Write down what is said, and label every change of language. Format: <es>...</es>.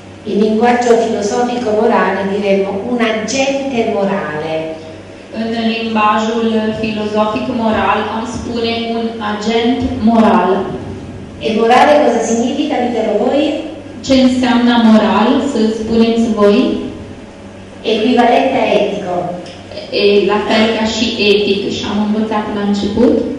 <it>In linguaggio filosofico morale diremmo un agente morale.</it> <ro>În limbajul filozofic moral am spune un agent moral.</ro> <it>E morale cosa significa, dite-lo voi?</it> <ro>Ce înseamnă moral, să spuneți voi?</ro> <it>Equivalente a etico.</it> <ro>E la fel ca și etic, și am învățat la început.</ro>